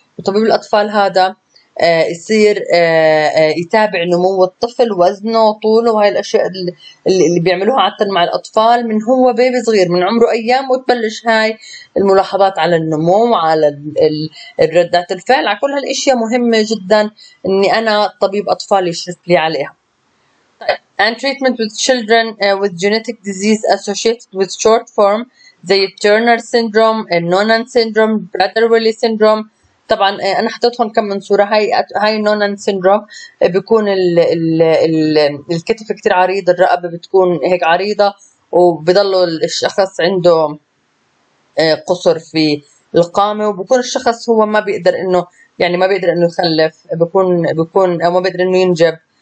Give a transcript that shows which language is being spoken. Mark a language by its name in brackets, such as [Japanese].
[Arabic] وطبيب الأطفال هذا يصير يتابع نمو الطفل، وزنه وطوله، وهي الأشياء اللي بيعملوها عادة مع الأطفال من هو بيبي صغير من عمره أيام، وتبلش هاي الملاحظات على النمو وعلى ردات الفعل على كل هالأشياء. مهمة جدا إني أنا طبيب أطفال يشرف لي عليها. [English] And treatment with children with genetic disease associated with short form زي Turner syndrome, Noonan syndrome, Prader-Willi syndrome. [Arabic] طبعا انا حطيت هون كم من صوره. هاي نونان سيندروم، بيكون الـ الـ الـ الكتف كتير عريض، الرقبه بتكون هيك عريضه، وبضل الشخص عنده قصر في القامه، وبكون الشخص هو ما بيقدر انه يعني ما بيقدر انه يخلف، بيكون او ما بيقدر انه ينجب.